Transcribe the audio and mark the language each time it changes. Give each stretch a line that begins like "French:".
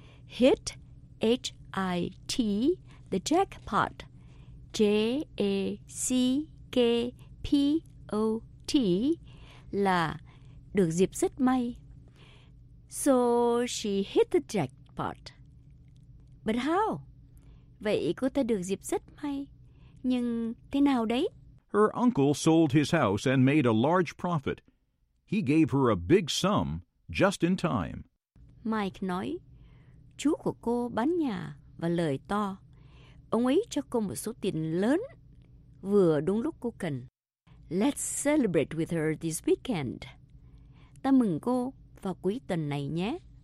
English: Hit, H-I-T, the jackpot, J-A-C-K-P-O-T
Vietnamese: là được dịp rất may.
English: So she hit the jackpot. But how?
Vietnamese: Vậy cô ta được dịp rất may. Nhưng thế nào đấy?
English: Her uncle sold his house and made a large profit. He gave her a big sum just in time.
Vietnamese: Mike nói, chú của cô bán nhà và lời to. Ông ấy cho cô một số tiền lớn, vừa đúng lúc cô cần.
English: Let's celebrate with her this weekend.
Vietnamese: Ta mừng cô vào cuối tuần này nhé.